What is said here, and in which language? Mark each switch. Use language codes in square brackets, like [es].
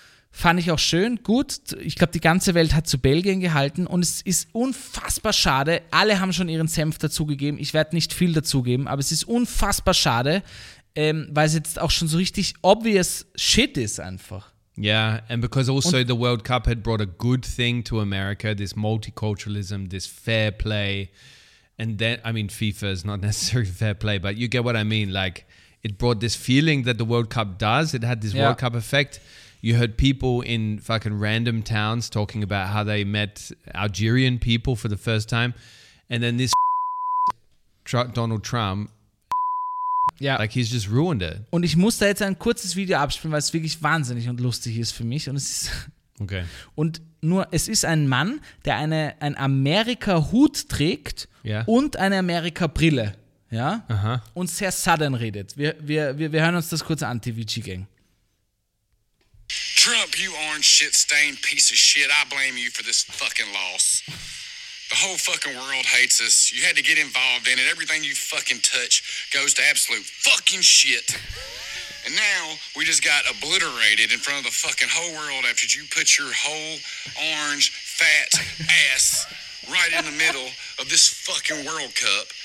[de] Fand ich auch schön, gut. Ich glaube, die ganze Welt hat zu Belgien gehalten. Und es ist unfassbar schade. Alle haben schon ihren Senf dazugegeben. Ich werde nicht viel dazugeben. Aber es ist unfassbar schade, weil es jetzt auch schon so richtig [en] obvious shit [de] ist einfach. [en] Yeah, and because also the World Cup had brought a good thing to America, this multiculturalism, this fair play. And then, I mean, FIFA is not necessarily fair play, but you get what I mean. Like, it brought this feeling that the World Cup does. It had this World Cup effect. You heard people in fucking random towns talking about how they met Algerian people for the first time. And then this Donald Trump. [de] Ja. [en] Like he's just ruined it. [de] Und ich muss da jetzt ein kurzes Video abspielen, weil es wirklich wahnsinnig und lustig ist für mich. Und es ist [en] okay. [de] Und nur, es ist ein Mann, der ein Amerika-Hut trägt und eine Amerika-Brille. Ja? Aha. Und sehr southern redet. Wir hören uns das kurz an, TVG Gang. [en] Trump, you orange shit-stained piece of shit. I blame you for this fucking loss. The whole fucking world hates us. You had to get involved in it. Everything you fucking touch goes to absolute fucking shit. And now we just got obliterated in front of the fucking whole world after you put your whole orange fat ass right in the middle of this fucking World Cup.